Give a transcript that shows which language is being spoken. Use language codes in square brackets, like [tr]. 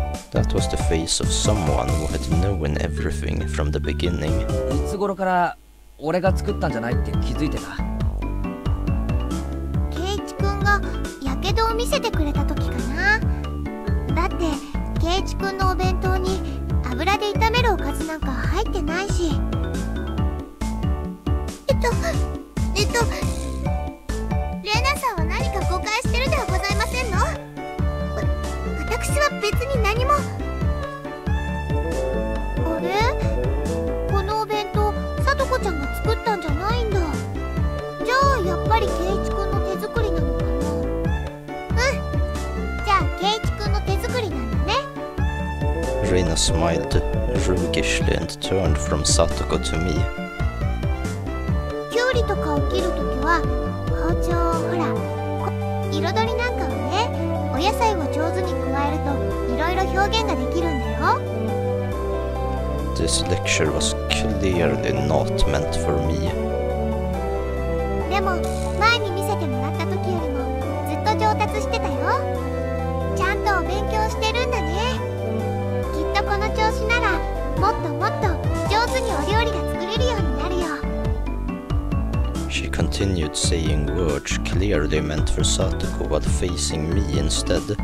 [en] That was the face of someone who had known everything from the beginning. [ja] いつ頃から俺が作ったんじゃないって気づいてた。ケイチ君が火傷を見せてくれた時かな。だってケイチ君のお弁当に油で炒めるおかずなんか入ってないし。レナさんは何か誤解してるではございませんの。私は別に何も。あれ、このお弁当さとこちゃんが作ったんじゃないんだ。じゃあやっぱりケイチ君の手作りなのかな。うん、じゃあケイチ君の手作りなんだね。 [en] Rina smiled roguishly and turned from Satoko to me. [ja] キュウリとかを切るときは包丁をほら、彩りなんかをね、お野菜を上手に加えるといろいろ表現ができるんだよ。 [en] This lecture was clearly not meant for me. [ja] でも前に見せてもらったときよりもずっと上達してたよ。ちゃんとお勉強してるんだね。この調子ならもっともっと上手にお料理が作れるようになるよ。 [en] She continued saying words clearly meant for Satoko while facing me instead.